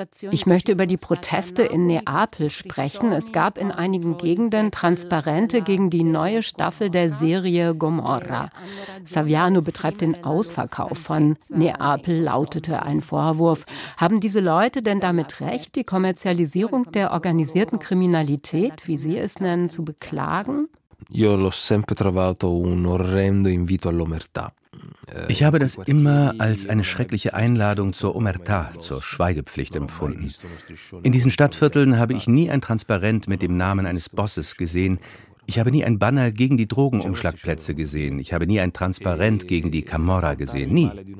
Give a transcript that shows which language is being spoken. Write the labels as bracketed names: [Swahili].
[German] Ich möchte über die Proteste in Neapel sprechen. Es gab in einigen Gegenden Transparente gegen die neue Staffel der Serie Gomorra. Saviano betreibt den Ausverkauf von Neapel, lautete ein Vorwurf. Haben diese Leute denn damit recht, die Kommerzialisierung der organisierten Kriminalität, wie sie es nennen, zu beklagen? [Italian] Io l'ho sempre trovato un orrendo invito all'omertà. [German] Ich habe das immer als eine schreckliche Einladung zur Omerta, zur Schweigepflicht empfunden. In diesen Stadtvierteln habe ich nie ein Transparent mit dem Namen eines Bosses gesehen, Ich habe nie ein Banner gegen die Drogenumschlagplätze gesehen. Ich habe nie ein Transparent gegen die Camorra gesehen. Nie.